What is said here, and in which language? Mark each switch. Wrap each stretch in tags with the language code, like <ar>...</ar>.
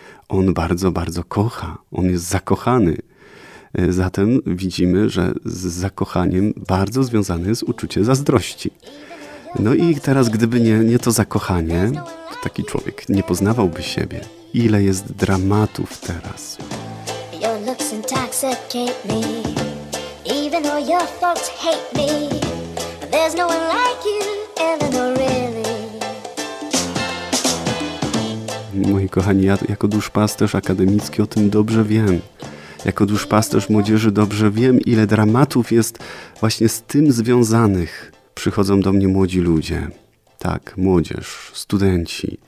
<pl>On bardzo, bardzo kocha, on jest zakochany. Zatem widzimy, że z zakochaniem bardzo związane jest uczucie zazdrości. I teraz gdyby nie to zakochanie, to taki człowiek nie poznawałby siebie. Ile jest dramatów teraz?</pl> <en>Your looks intoxicate me, even though your folks hate me. There's no one like you, Eleanor, really.</en> <pl>moi kochani, ja jako duszpasterz akademicki o tym dobrze wiem. Jako duszpasterz młodzieży dobrze wiem, ile dramatów jest właśnie z tym związanych. Przychodzą do mnie młodzi ludzie. Tak, młodzież, studenci.</pl>